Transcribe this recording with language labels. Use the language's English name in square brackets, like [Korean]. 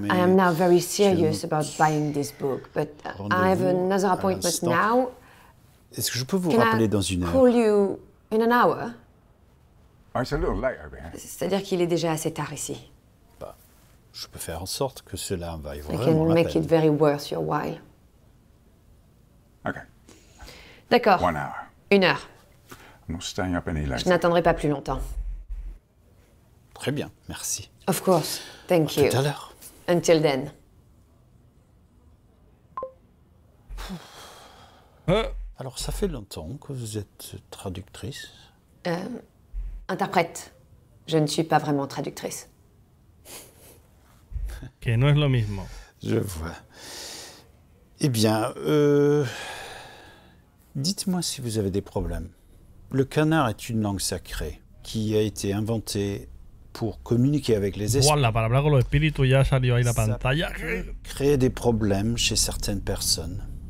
[English] I am now very serious about buying this book, but I have another appointment now. [French] Est-ce que je peux vous rappeler dans une heure? [English] Can I call you in an hour? Oh, it's a little late over here. [French] C'est-à-dire qu'il est déjà assez tard ici. Je peux faire en sorte que cela vaille vraiment la peine. [English] I can make it very worth your while. Ok. [French] D'accord. [English] One hour. [French] Une heure. [English] I'm not staying up any later. [French] Je n'attendrai pas plus longtemps. Très bien, merci. [English] Of course, thank you. [French] À tout à l'heure. [English] Until then. [French] Alors, ça fait longtemps que vous êtes traductrice? Interprète. Je ne suis pas vraiment traductrice. [Spanish] Que no es lo mismo. [French] Je vois. Eh bien, dites-moi si vous avez des problèmes. Le canard est une langue sacrée qui a été inventée pour communiquer avec les esprits. [Spanish] Voilà, para hablar con los espíritus ya salió ahí la pantalla. [French] Ça peut créer des problèmes chez certaines personnes.